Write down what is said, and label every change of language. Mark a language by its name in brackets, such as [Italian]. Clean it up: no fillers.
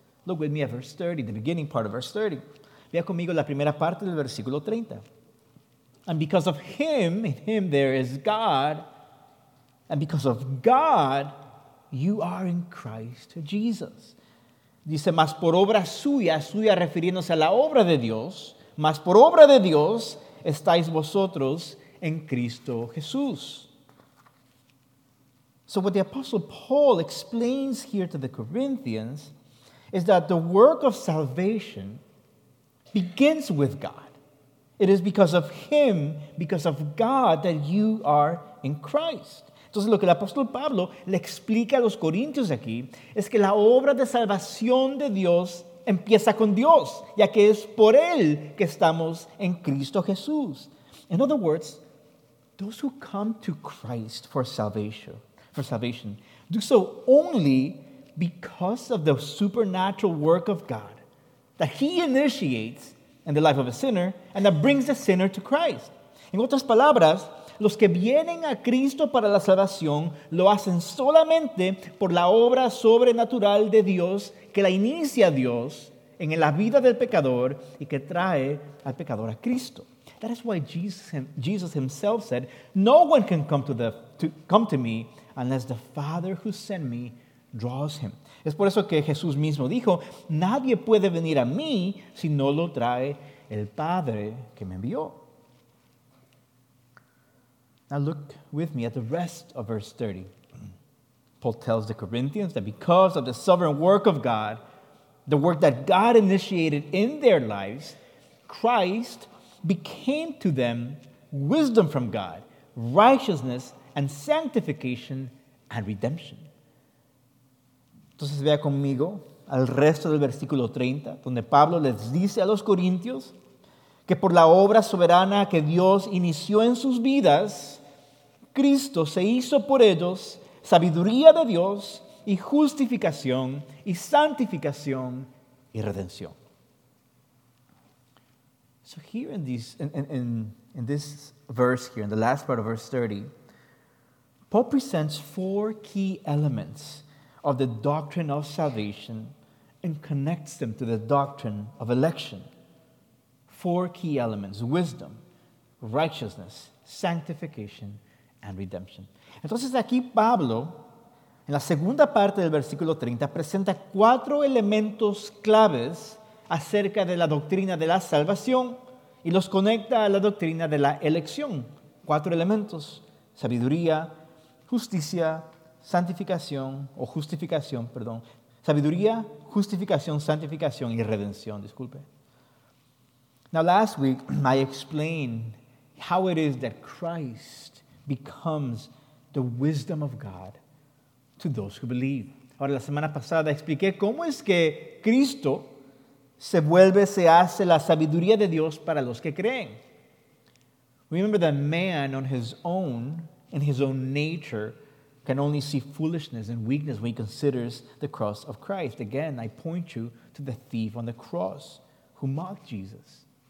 [English] Look with me at verse 30, the beginning part of verse 30. [Spanish] Vea conmigo la primera parte del versículo 30. [English] And because of him, in him there is God, and because of God, you are in Christ Jesus. [Spanish] Dice, mas por obra suya, suya refiriéndose a la obra de Dios, mas por obra de Dios estáis vosotros en Cristo Jesús. [English] So what the Apostle Paul explains here to the Corinthians is that the work of salvation begins with God. It is because of him, because of God, that you are in Christ. [Spanish] Entonces, lo que el apóstol Pablo le explica a los corintios aquí es que la obra de salvación de Dios empieza con Dios, ya que es por él que estamos en Cristo Jesús. [English] In other words, those who come to Christ for salvation, do so only because of the supernatural work of God that he initiates in the life of a sinner, and that brings the sinner to Christ. [Spanish] En otras palabras, los que vienen a Cristo para la salvación lo hacen solamente por la obra sobrenatural de Dios que la inicia Dios en la vida del pecador y que trae al pecador a Cristo. [English] That is why Jesus himself said, "No one can come to me unless the Father who sent me draws him." [Spanish] Es por eso que Jesús mismo dijo, "Nadie puede venir a mí si no lo trae el Padre que me envió." [English] Now look with me at the rest of verse 30. Paul tells the Corinthians that because of the sovereign work of God, the work that God initiated in their lives, Christ became to them wisdom from God, righteousness and sanctification and redemption. [Spanish] Entonces vea conmigo al resto del versículo 30, donde Pablo les dice a los corintios que por la obra soberana que Dios inició en sus vidas, Cristo se hizo por ellos sabiduría de Dios y justificación y santificación y redención. [English] So here in this verse here, in the last part of verse 30, Paul presents four key elements of the doctrine of salvation and connects them to the doctrine of election. Four key elements: wisdom, righteousness, sanctification, and redemption. [Spanish] Entonces aquí Pablo, en la segunda parte del versículo 30, presenta cuatro elementos claves acerca de la doctrina de la salvación y los conecta a la doctrina de la elección. Cuatro elementos: sabiduría, justicia, [English] sanctification, or redemption. Now, last week, I explained how it is that Christ becomes the wisdom of God to those who believe. [Spanish] Ahora, la semana pasada, expliqué cómo es que Cristo se hace la sabiduría de Dios para los que creen. [English] Remember that man on his own, in his own nature, can only see foolishness and weakness when he considers the cross of Christ. Again, I point you to the thief on the cross who mocked Jesus.